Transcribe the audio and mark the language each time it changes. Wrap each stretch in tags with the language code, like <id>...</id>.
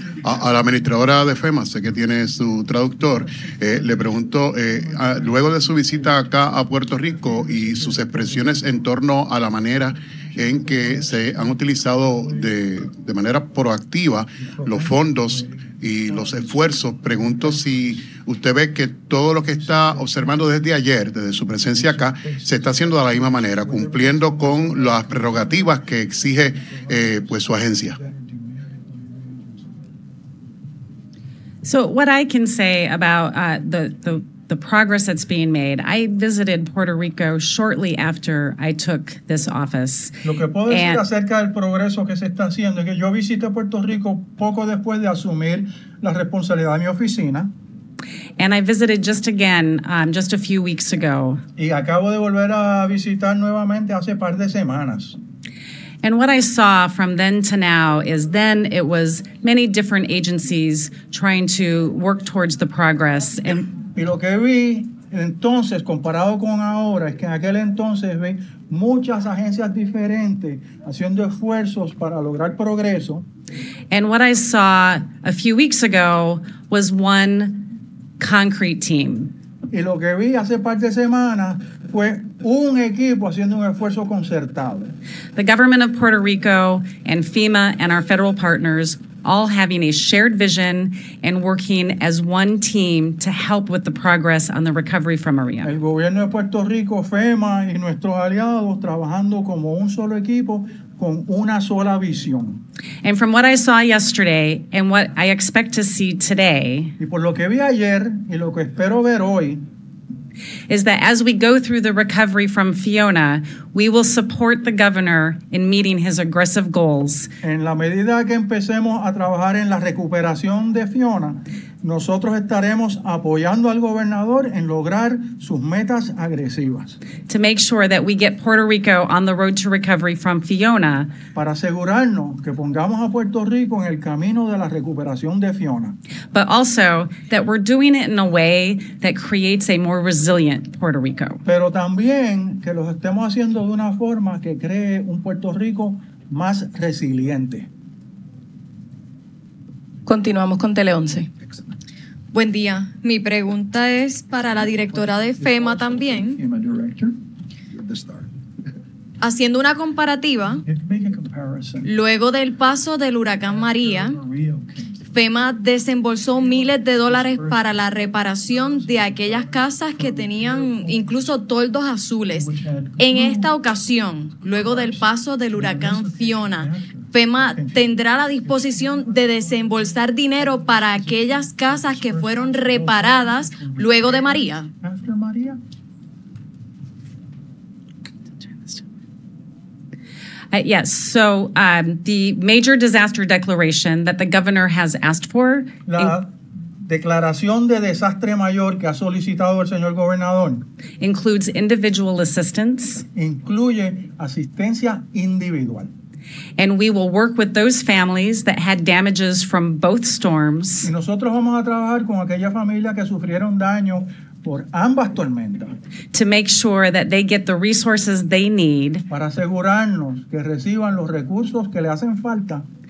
<es>A la administradora de FEMA, sé que tiene su traductor, le pregunto, luego de su visita acá a Puerto Rico y sus expresiones en torno a la manera en que se han utilizado de manera proactiva los fondos y los esfuerzos, pregunto si usted ve que todo lo que está observando desde ayer, desde su presencia acá, se está haciendo de la misma manera, cumpliendo con las prerrogativas que exige pues su agencia.</es> <en>So what I can say about the progress that's being made, I visited Puerto Rico shortly after I took this office.</en> <es>Lo que puedo decir acerca del progreso que se está haciendo es que yo visité Puerto Rico poco después de asumir la responsabilidad de mi oficina.</es> <en>And I visited just again just a few weeks ago.</en> <es>Y acabo de volver a visitar nuevamente hace par de semanas.</es> <en>And what I saw from then to now is then it was many different agencies trying to work towards the progress.</en> <es>Y lo que vi Entonces, comparado con ahora, es que en aquel entonces ven muchas agencias diferentes haciendo esfuerzos para lograr progreso.</es> <en>And what I saw a few weeks ago was one concrete team.</en> <es>Y lo que vi hace par de semanas fue un equipo haciendo un esfuerzo concertado.</es> <en>The government of Puerto Rico and FEMA and our federal partners all having a shared vision and working as one team to help with the progress on the recovery from Maria.</en> <es>El gobierno de Puerto Rico, FEMA y nuestros aliados trabajando como un solo equipo con una sola visión.</es> <en>And from what I saw yesterday and what I expect to see today,</en> <es>y por lo que vi ayer y lo que espero ver hoy,</es> <en>is that as we go through the recovery from Fiona, we will support the governor in meeting his aggressive goals.</en> <es>En la medida que empecemos a trabajar en la recuperación de Fiona, nosotros estaremos apoyando al gobernador en lograr sus metas agresivas.</es> <en>To make sure that we get Puerto Rico on the road to recovery from Fiona.</en> <es>Para asegurarnos que pongamos a Puerto Rico en el camino de la recuperación de Fiona.</es> <en>But also that we're doing it in a way that creates a more resilient Puerto Rico.</en> <es>Pero también que lo estemos haciendo de una forma que cree un Puerto Rico más resiliente. Continuamos con Tele 11. Buen día. Mi pregunta es para la directora de FEMA también. Haciendo una comparativa, luego del paso del huracán María, FEMA desembolsó miles de dólares para la reparación de aquellas casas que tenían incluso toldos azules. En esta ocasión, luego del paso del huracán Fiona, FEMA tendrá la disposición de desembolsar dinero para aquellas casas que fueron reparadas luego de María.</es> <en>Yes, so the major disaster declaration that the governor has asked for.</en> <es>La declaración de desastre mayor que ha solicitado el señor gobernador.</es> <en>Includes individual assistance.</en> <es>Incluye asistencia individual.</es> <en>And we will work with those families that had damages from both storms.</en> <es>Y nosotros vamos a trabajar con aquellas familias que sufrieron daño por ambas tormentas.</es> <en>To make sure that they get the resources they need.</en> <es>Para asegurarnos que reciban los recursos que le hacen falta.</es>